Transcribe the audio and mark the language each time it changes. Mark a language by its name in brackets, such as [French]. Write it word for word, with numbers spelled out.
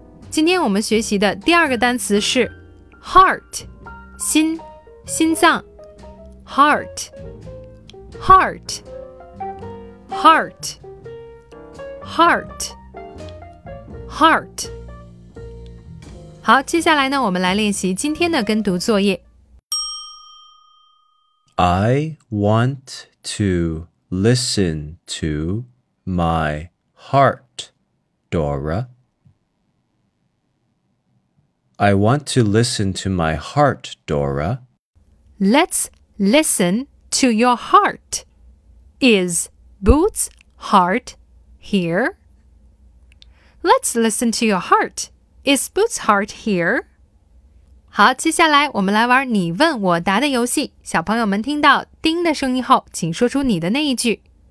[Chinese] 今天我们学习的第二个单词是 heart， 心，心脏。 [English] heart, heart, heart, heart, heart. [Chinese] 好，接下来呢，我们来练习今天的跟读作业。 [English] I want to listen to my heart, Dora. I want to listen to my heart, Dora. Let's listen to your heart. Is Boots' heart here? Let's listen to your heart. Is Boots' heart here? [Chinese] 好，接下来我们来玩你问我答的游戏。小朋友们听到叮的声音后，请说出你的那一句。